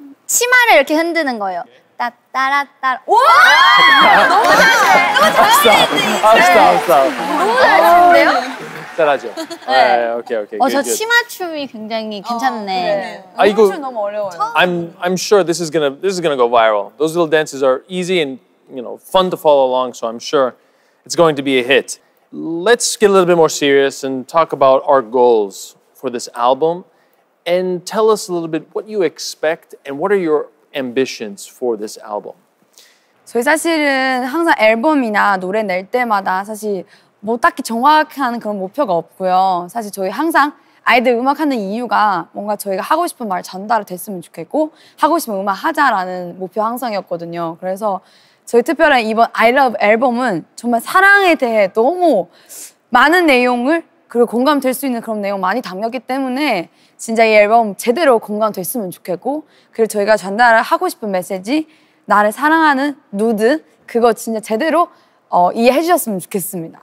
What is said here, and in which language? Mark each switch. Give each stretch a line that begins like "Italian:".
Korean: 치마를 이렇게 흔드는 거예요. 따따라따라. 와! 너무 잘하시는데요? 잘하죠? 오케이. 저 치마춤이 굉장히 괜찮네. 이거 너무 어려워요.
English: I'm sure this is gonna go viral. Those little dances are easy and, you know, fun to follow along, so I'm sure it's going to be a hit. Let's get a little bit more serious and talk about our goals for this album. And tell us a little bit what you expect and what are your ambitions for this album?
Korean: 저희 사실은 항상 앨범이나 노래 낼 때마다 사실 뭐 딱히 정확한 그런 목표가 없고요. 사실 저희 항상 아이들 음악하는 이유가 뭔가 저희가 하고 싶은 말 전달이 됐으면 좋겠고 하고 싶은 음악 하자라는 목표 항상이었거든요. 그래서 저희 특별한 이번 I Love 앨범은 정말 사랑에 대해 너무 많은 내용을 그리고 공감될 수 있는 그런 내용 많이 담겼기 때문에 진짜 이 앨범 제대로 공감됐으면 좋겠고 그리고 저희가 전달하고 싶은 메시지 나를 사랑하는 누드 그거 진짜 제대로 이해해 주셨으면 좋겠습니다.